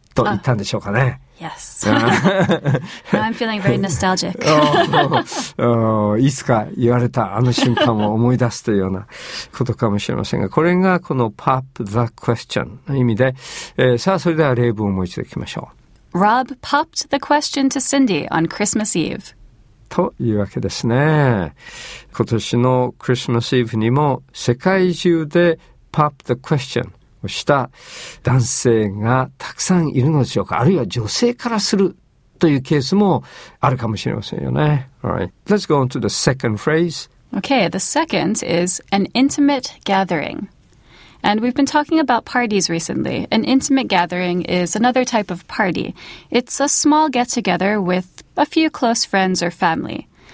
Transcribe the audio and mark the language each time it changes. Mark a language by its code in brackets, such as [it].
[ja] と言ったんでしょうかね。 [en] Yes. I'm feeling very nostalgic. [ja] いつか言われたあの瞬間を思い出すというようなことかもしれませんが、これがこの [en] pop the question [ja] の意味で、さあそれでは例文をもう一度いきましょう。 [en] Rob popped the question to Cindy on Christmas Eve. [ja] というわけですね。今年のクリスマスイブにも世界中で [en] pop the question。 [ja] した男性がたくさんいるのでしょうか、あるいは女性からするというケースもあるかもしれませんよね。 [en] Alright, let's go on to the second phrase. Okay, the second is an intimate gathering. And we've been talking about parties recently. An intimate gathering is another type of party. It's a small get-together with a few close friends or family.